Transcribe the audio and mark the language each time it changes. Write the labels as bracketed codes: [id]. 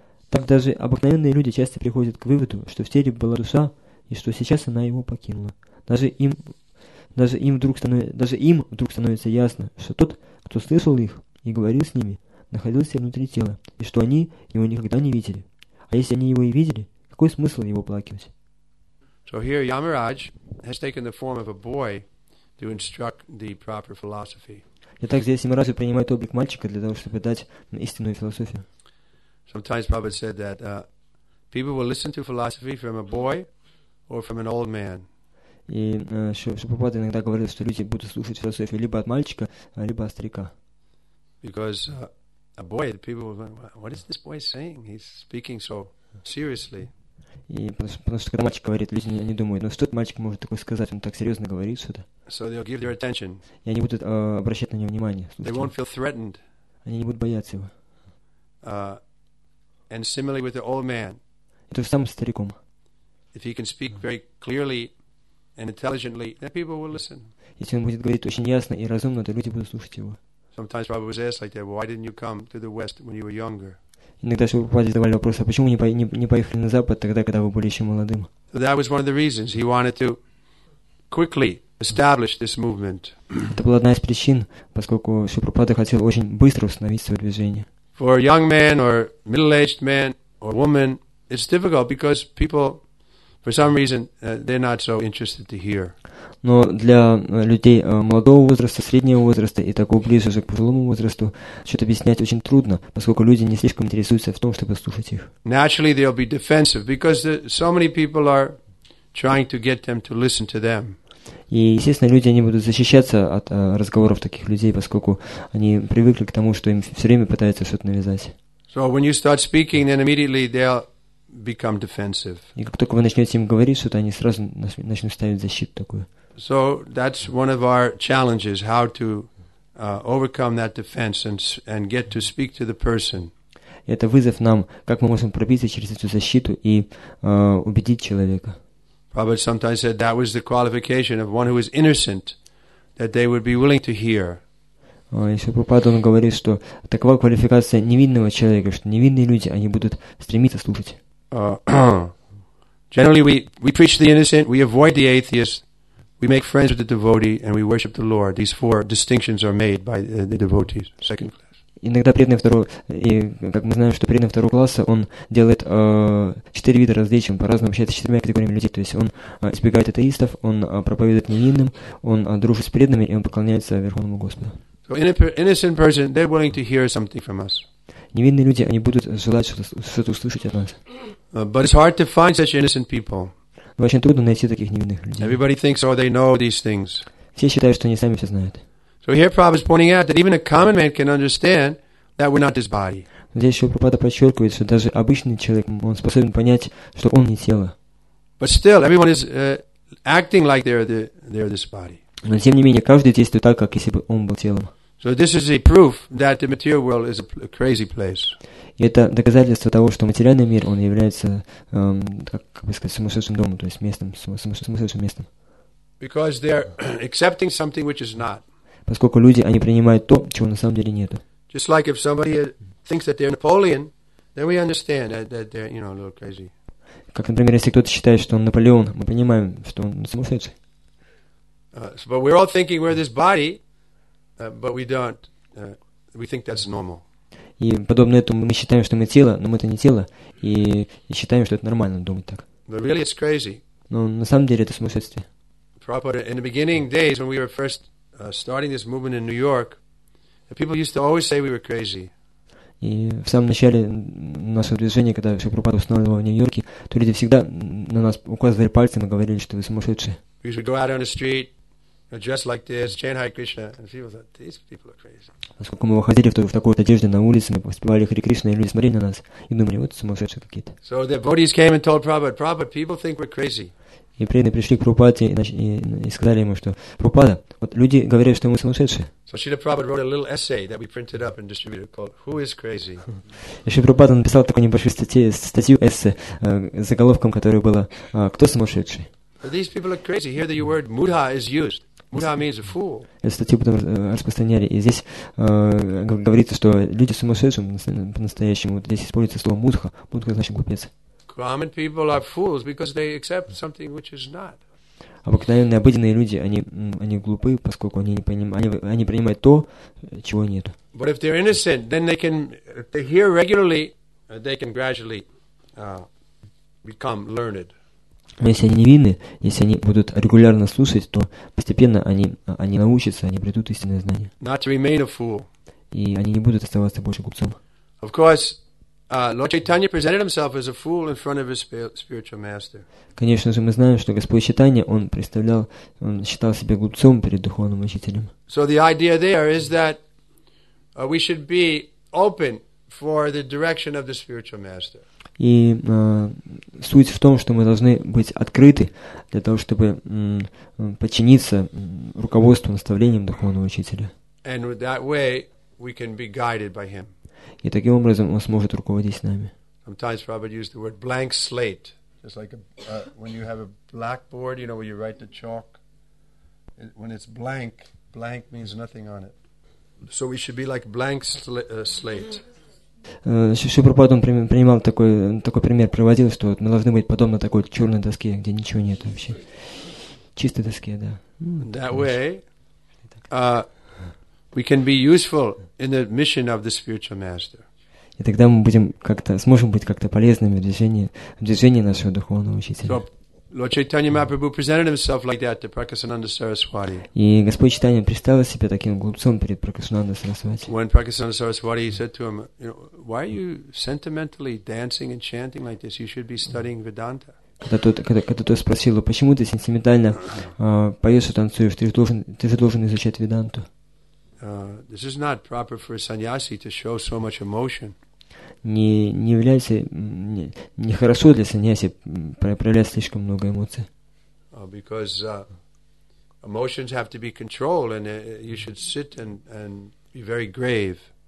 [ru] Так даже обыкновенные люди часто приходят к выводу, что в теле была душа, и что сейчас она его покинула. Даже им вдруг становится ясно, что тот, кто слышал их и говорил с ними, находился внутри тела, и что они его никогда не видели. А если они его и видели, какой смысл его плакивать? [en] So here Yamaraj has taken the form of a boy to instruct the proper philosophy. [ru] Итак, здесь Yamaraj принимает облик мальчика для того, чтобы дать истинную философию. [en] Sometimes Prabhupada said that people will listen to philosophy from a boy or from an old man. [ru] И Шупапада иногда говорил, что люди будут слушать философию либо от мальчика, либо от старика. [en] Because a boy, the people will go, what is this boy saying? He's speaking so seriously. [ru] И потому что когда мальчик говорит, люди не думают, ну что этот мальчик может такое сказать, он так серьезно говорит что-то. [en] So they'll give their attention. [ru] И они будут обращать на него внимание. [en] They won't feel threatened. [ru] Они не будут бояться его. [en] And similarly with the old man. [ru] И то же самое с стариком. [en] If he can speak very clearly and intelligently, then people will listen. [ru] Если он будет говорить очень ясно и разумно, то люди будут слушать его. [en] Sometimes Prabhupada was asked like that, why didn't you come to the West when you were younger? [ru] Иногда Шупападе задавали вопрос, а почему не поехали на Запад тогда, когда вы были еще молодым? [en] So that was one of the reasons he wanted to quickly establish this movement. [ru] Это была одна из причин, поскольку Шупапада хотел очень быстро установить свое движение. [en] For a young man or middle-aged man or woman, it's difficult because people, for some reason, they're not so interested to hear. [ru] Но для людей молодого возраста, среднего возраста и такого ближе уже к пожилому возрасту что-то объяснять очень трудно, поскольку люди не слишком интересуются в том, чтобы слушать их. [en] Naturally, they'll be defensive because so many people are trying to get them to listen to them. [ru] И, естественно, люди они будут защищаться от разговоров таких людей, поскольку они привыкли к тому, что им все время пытаются что-то навязать. [en] So when you start speaking, then immediately they'll become defensive. [ru] И как только вы начнете им говорить что-то, они сразу начнут ставить защиту такую. [en] So that's one of our challenges, how to overcome that defense and get to speak to the person. [ru] Это вызов нам, как мы можем пробиться через эту защиту и убедить человека. [en] Prabhupada sometimes said that was the qualification of one who is innocent, that they would be willing to hear. [ru] Шупапада говорит, что такова квалификация невинного человека, что невинные люди, они будут стремиться слушать. [en] Generally, we preach the innocent, we avoid the atheist, we make friends with the devotee, and we worship the Lord. These four distinctions are made by the devotees, second class. [ru] Иногда преданный второго, и как мы знаем, что преданный второго класса, он делает четыре вида различий, он по-разному общается с четырьмя категориями людей. То есть он избегает атеистов, он проповедует невинным, он дружит с преданными, и он поклоняется Верховному Господу. [en] So innocent person, they're willing to hear something from us. [ru] Невинные люди, они будут желать что-то услышать от нас. [en] But it's hard to find such innocent people. [ru] Очень трудно найти таких невинных людей. [en] Everybody thinks, oh, they know these things. [ru] Все считают, что они сами все знают. [en] So here Prabhupada is pointing out that even a common man can understand that we're not this body. [ru] Здесь еще Прабхупада подчеркивает, что даже обычный человек, он способен понять, что он не тело. [en] But still, everyone is acting like they're this body. [ru] Но тем не менее, каждый действует так, как если бы он был телом. [en] So this is a proof that the material world is a crazy place. [ru] И это доказательство того, что материальный мир, он является, как бы сказать, сумасшедшим домом, то есть местом, сумасшедшим местом. [en] Because they're accepting something which is not. [ru] Поскольку люди, они принимают то, чего на самом деле нету. [en] Just like if somebody thinks that they're Napoleon, then we understand that they're, you know, a little crazy. [ru] Как, например, если кто-то считает, что он Наполеон, мы понимаем, что он сумасшедший. [en] But we're all thinking we're this body, but we don't. We think that's normal. [ru] И подобно этому мы считаем, что мы тело, но мы это не тело, и считаем, что это нормально думать так. [en] But really it's crazy. [ru] Но на самом деле это сумасшествие. [en] Prabhupada, in the beginning days, when we were first starting this movement in New York, people used to always say we were crazy. [ru] И в самом начале нашего движения, когда все Прабхупада устанавливал в Нью-Йорке, то люди всегда на нас указывали пальцем и говорили, что вы сумасшедшие. [en] We would go out on the street, dressed like this, chant Hare Krishna, and people thought these people are crazy. [ru] Поскольку мы выходили в такой одежде на улице, мы поспевали Хари Кришна, и люди смотрели на нас и думали, вот сумасшедшие какие-то. [en] So the devotees came and told Prabhupada, Prabhupada, people think we're crazy. [ru] И преданные пришли к Прабхупаде и сказали ему, что Прабхупада, вот люди говорят, что мы сумасшедшие. [en] So Srila Prabhupada wrote a little essay that we printed up and distributed called Who is Crazy? [ru] И Шри Прабхупада написал такую небольшую статью эссе с заголовком, которое было «Кто сумасшедший?». [en] So these people are crazy. Here the word mudha is used. Mudha means a fool. [ru] Эту статью потом распространяли. И здесь говорится, что люди сумасшедшие по-настоящему. Вот здесь используется слово мудха. Мудха значит глупец. [en] Common people are fools because they accept something which is not. [ru] Обыкновенные, обыденные люди, они глупы, поскольку они не понимают, они принимают то, чего нет. [en] But if they're innocent, then they can, if they hear regularly, they can gradually become learned. [ru] Но если они невинны, если они будут регулярно слушать, то постепенно они научатся, они придут истинное знание. [en] Not to remain a fool. [ru] И они не будут оставаться больше глупцом. [en] Of course, Lord Chaitanya presented himself as a fool in front of his spiritual master. [ru] Конечно же, мы знаем, что Господь Чайтанья, он считал себя глупцом перед духовным учителем. [en] So the idea there is that we should be open for the direction of the spiritual master. [ru] И суть в том, что мы должны быть открыты для того, чтобы подчиниться руководству, наставлениям духовного учителя. [en] And with that way we can be guided by him. [ru] И таким образом он сможет руководить с нами. [en] Sometimes Prabhupada used the word blank slate. It's like when you have a blackboard, you know, where you write the chalk. When it's blank, blank means nothing on it. So we should be like blank slate. [ru] Шри Прабхупада принимал такой пример, приводил, что мы должны быть подобно такой черной доске, где ничего нет вообще. Чистой доске, да. [en] That way we can be useful in the mission of the spiritual master. [ru] И тогда мы будем как-то, сможем быть как-то полезными в движении нашего духовного учителя. [en] Lord Chaitanya Mahaprabhu presented himself like that to Prakasananda Saraswati. [ru] И Господь Чайтанья представил себя таким глупцом перед Пракасананда Сарасвати. [en] When Prakasananda Saraswati said to him, you know, why are you sentimentally dancing and chanting like this? You should be studying Vedanta. [ru] Когда тот спросил, почему ты сентиментально поешь и танцуешь, ты же должен изучать Веданту. [en] This is not proper for a sannyasi to show so much emotion. [ru] Не хорошо для саньяси проявлять слишком много эмоций. [en] Because emotions have to be controlled, and you should sit and be very grave.